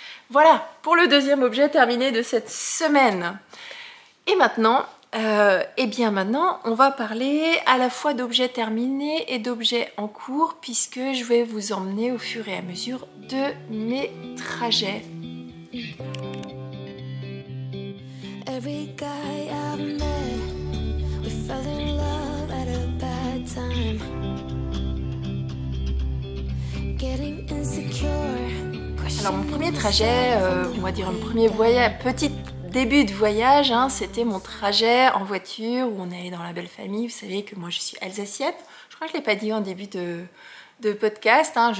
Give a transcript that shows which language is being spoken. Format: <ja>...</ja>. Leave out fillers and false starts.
<fr>Voilà, pour le deuxième objet terminé de cette semaine. Et maintenant, maintenant, on va parler à la fois d'objets terminés et d'objets en cours, puisque je vais vous emmener au fur et à mesure de mes trajets.</fr> <en>Every guy I've met, we fell in love at a bad time. Getting insecure.</en> <fr>Alors mon premier trajet, on va dire mon premier voyage, petit début de voyage, hein, c'était mon trajet en voiture où on allait dans la belle famille. Vous savez que moi je suis alsacienne, je crois que je ne l'ai pas dit en début de podcast, hein.</fr>